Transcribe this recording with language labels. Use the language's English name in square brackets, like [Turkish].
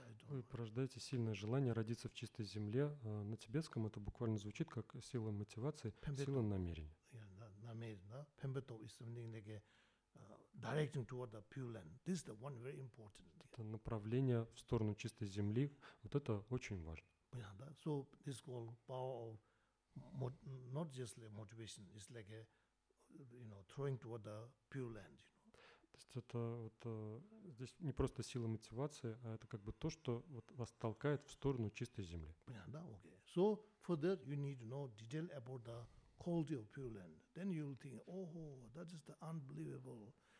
[Russian] Вы порождаете сильное желание родиться в чистой земле. На тибетском это буквально звучит как сила мотивации, сила намерения. Намерение. [English] Pembeto is something like directing toward the pure land. This is the one very important. [Russian] Это направление в сторону чистой земли. Вот это очень важно. Понятно, да? [English] So this called power of not just like motivation. It's like throwing toward the pure land. [Russian] То есть это вот здесь не просто сила мотивации, а это как бы то, что вот вас толкает в сторону чистой земли. Понятно, да? [English] Okay. So for that you need to know detail about the quality of pure land. Then you will think, oh, that is the unbelievable.